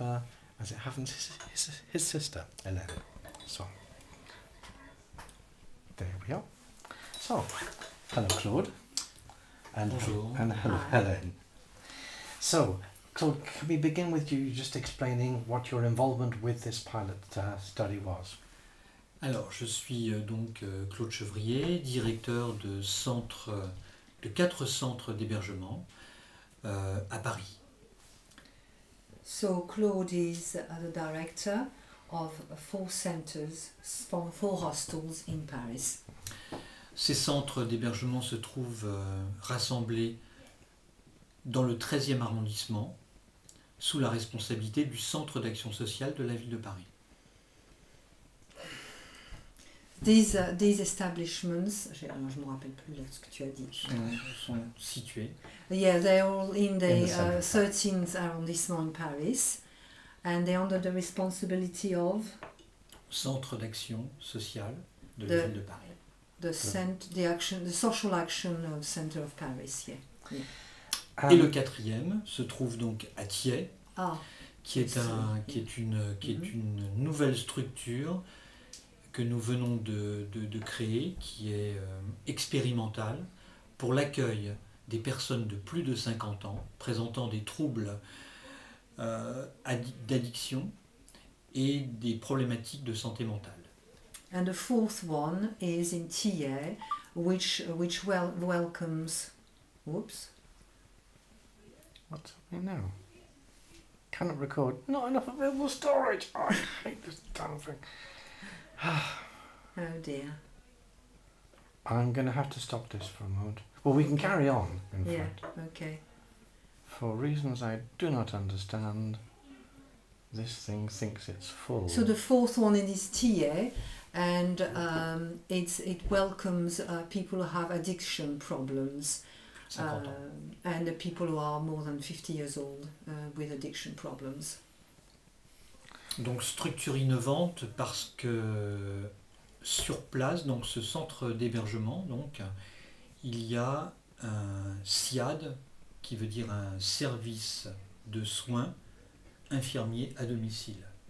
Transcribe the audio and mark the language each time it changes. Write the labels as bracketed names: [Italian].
[English] As it happens, his sister, Hélène. So, there we are. So, hello, Claude. And bonjour. And hello, hi. Hélène. So, Claude, can we begin with you just explaining what your involvement with this pilot study was? [French] Alors, je suis donc Claude Chevrier, directeur de quatre centres d'hébergement à Paris. [English] So Claude is the director of four centers, four hostels in Paris. [French] Ces centres d'hébergement se trouvent rassemblés dans le 13e arrondissement, sous la responsabilité du Centre d'action sociale de la ville de Paris. [English] These establishments, [French] je me rappelle plus là ce que tu as dit. Sont situés. [English] Yeah, they're all in the 13th arrondissement in Paris, and they're under the responsibility of [French] Centre d'action sociale de la ville de Paris. [English] The social action of center of Paris. Yeah. [French] Et le quatrième se trouve donc à Thiers, une nouvelle structure que nous venons de créer, qui est expérimental pour l'accueil des personnes de plus de 50 ans présentant des troubles d'addiction et des problématiques de santé mentale. [English] And the fourth one is in Thiers, which welcomes. Whoops. What's happening now? Cannot record. Not enough available storage. Oh, I hate this damn thing. Oh dear. I'm going to have to stop this for a moment. Well, we can carry on, in fact. Yeah, okay. For reasons I do not understand, this thing thinks it's full. So the fourth one is Thiers, and it welcomes people who have addiction problems. And the people who are more than 50 years old with addiction problems. [French] Donc structure innovante parce que sur place, donc ce centre d'hébergement, donc il y a un SIAD qui veut dire un service de soins infirmiers à domicile.